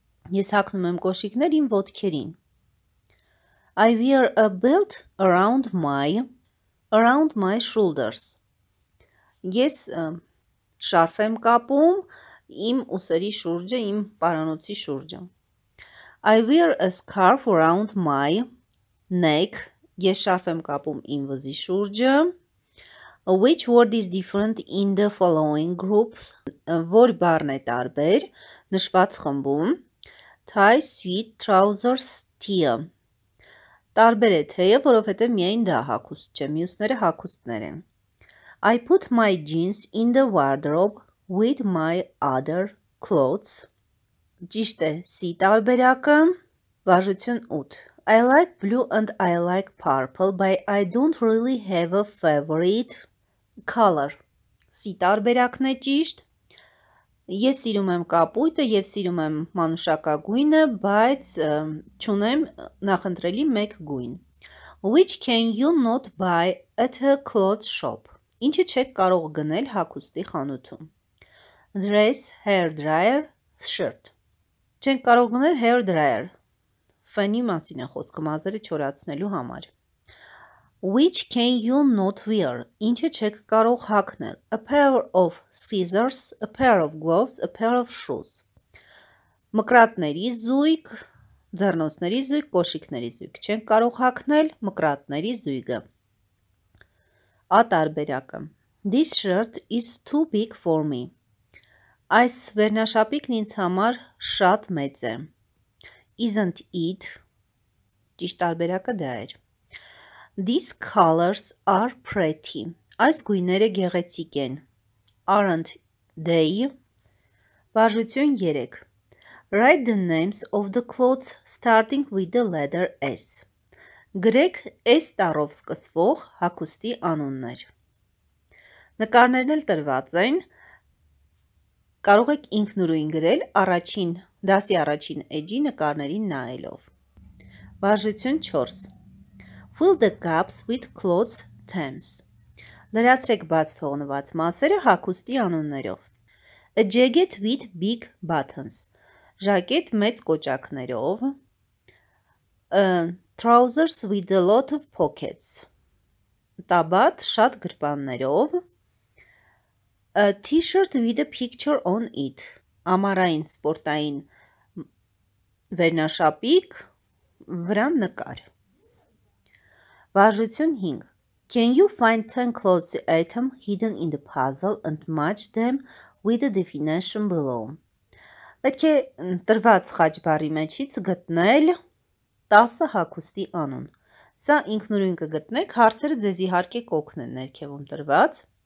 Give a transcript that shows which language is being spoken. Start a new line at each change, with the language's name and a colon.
Armenian: Ես հագնում եմ կոշիկներ իմ ոտքերին.
English: I wear a belt around my shoulders.
Armenian: Ես շարֆ եմ կապում իմ ուսերի շուրջը, իմ պարանոցի շուրջը.
English: I wear a scarf around my neck.
Armenian: Ես շարֆ եմ կապում իմ վզի շուրջը.
English: Which word is different in the following groups?
Armenian: Որ բառն է տարբեր նշված խմբում?
English: Tie, sweet, trousers, tea.
Armenian: Տարբեր է թեյը, որովհետև միայն դա հագուստ չէ, մյուսները հագուստներ են.
English: I put my jeans in the wardrobe with my other clothes.
Armenian: Ճիշտ է, սի տարբերակը, վարժություն 8.
English: I like blue and I like purple, but I don't really have a favorite color.
Armenian: Սի տարբերակն է ճիշտ. Ես սիրում եմ կապույտը և սիրում եմ մանուշակագույնը, բայց չունեմ նախընտրելի մեկ գույն.
English: Which can you not buy at a clothes shop?
Armenian: Ինչը չեք կարող գնել հագուստի խանութում?
English: Dress, hair dryer, shirt.
Armenian: Չենք կարող գնել hair dryer. Ֆենի մասին է խոսքը, մազերը չորացնելու համար.
English: Which can you not wear?
Armenian: Ինչը չեք կարող հագնել?
English: A pair of scissors, a pair of gloves, a pair of shoes.
Armenian: Մկրատների զույգ, ձեռնոցների զույգ, կոշիկների զույգ. Չենք կարող հագնել մկրատների զույգը. Ա տարբերակը.
English: This shirt is too big for me.
Armenian: Այս վերնաշապիկն ինձ համար շատ մեծ է.
English: Isn't it?
Armenian: Ճիշտ տարբերակը դա էր.
English: These colors are pretty.
Armenian: Այս գույները գեղեցիկ են.
English: Aren't they?
Armenian: Վարժություն 3.
English: Write the names of the clothes starting with the letter S.
Armenian: Գրեք S տառով սկսվող հագուստի անուններ. Նկարներն էլ տրված են. Կարող եք ինքնուրույն գրել առաջին դասի առաջին էջի նկարներին նայելով. Վարժություն 4.
English: Fill the gaps with clothes terms.
Armenian: Լրացրեք բաց թողնված մասերը հագուստի անուններով.
English: A jacket with big buttons.
Armenian: Ժակետ մեծ կոճակներով.
English: Trousers with a lot of pockets.
Armenian: Տաբատ շատ գրպաններով.
English: A t-shirt with a picture on it.
Armenian: Ամառային սպորտային վերնաշապիկ, վրան նկար. Վարժություն 5.
English: Can you find 10 clothes items hidden in the puzzle and match them with the definition below?
Armenian: Պետք է տրված խաչբարի մեջից գտնել 10 հագուստի անուն. Սա ինքնուրույն կգտնեք, հարցերը ձեզ իհարկե կօգնեն ներքևում տրված.